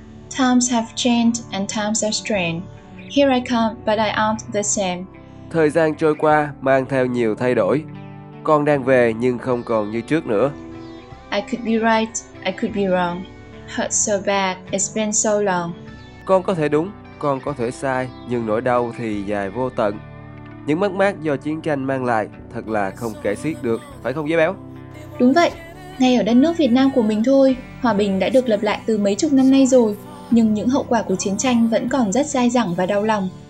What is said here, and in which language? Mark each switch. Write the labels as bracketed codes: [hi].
[en] Times have changed and times are strange. Here I come, but I aren't the same. [vi] Thời gian trôi qua mang theo nhiều thay đổi. Con đang về nhưng không còn như trước nữa. [en] I could be right, I could be wrong. Hurt so bad, it's been so long. [vi] Con có thể đúng, con có thể sai, nhưng nỗi đau thì dài vô tận. Những mất mát do chiến tranh mang lại thật là không kể xiết được, phải không Giấy Béo? Đúng vậy, ngay ở đất nước Việt Nam của mình thôi, hòa bình đã được lập lại từ mấy chục năm nay rồi, nhưng những hậu quả của chiến tranh vẫn còn rất dai dẳng và đau lòng.